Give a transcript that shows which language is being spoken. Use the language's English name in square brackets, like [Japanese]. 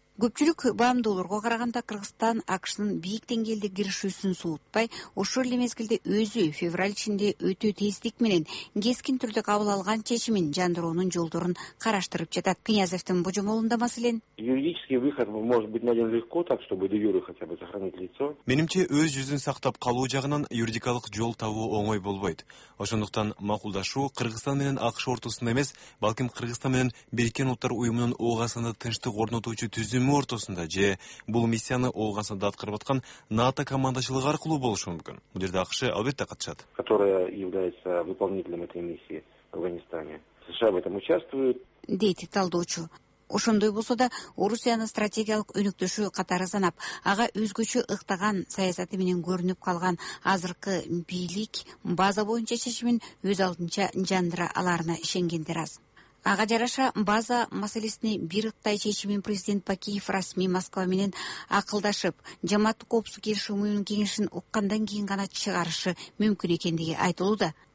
[Kyrgyz] Көпчүлүк баамдоолорго караганда Кыргызстан АКШнын бийик деңгээлде киришүүсүн суутпай, ошол эле мезгилде өзү февраль ичинде өтө тездик менен кескин түрдө кабыл алган чечимин жандыруунун жолдорун караштырып жатат. Князевдин божомолунда маселен [Russian] юридический выход может быть найден легко, так чтобы де юре хотя бы сохранить лицо. [Kyrgyz] Менимче өз жүзүн сактап калуу жагынан юридикалык жол табуу оңой болбойт. Ошондуктан макулдашуу Кыргызстан менен АКШ ортосунда эмес, балким Кыргызстан менен Бириккен Улуттар Уюмунун угасында тынчтык орнотуучу түзүмү ортосунда же бул миссияны угасында аткарып аткан НАТО командачылыгы аркылуу болушу мүмкүн. Бул жерде АКШ албетте катышат, [Russian] которая является выполнителем этой миссии в Афганистане. США в этом участвуют, [Kyrgyz] дейт талдоочу. Ошондой болсо да Орусияны стратегиялык өнөктөшү катары санап, ага өзгөчө ыктаган саясаты менен көрүнүп калган азыркы бийлик база боюнча чечимин өз алдынча жандыра аларына ишенгендер аз. Ага жараша база маселесине бир ыктай чечимин президент Бакиев расмий Москва менен акылдашып, жамааттык коопсуздук кеңешинин уюмдук кеңешин уккандан кийин гана чыгарышы мүмкүн экендиги айтылууда.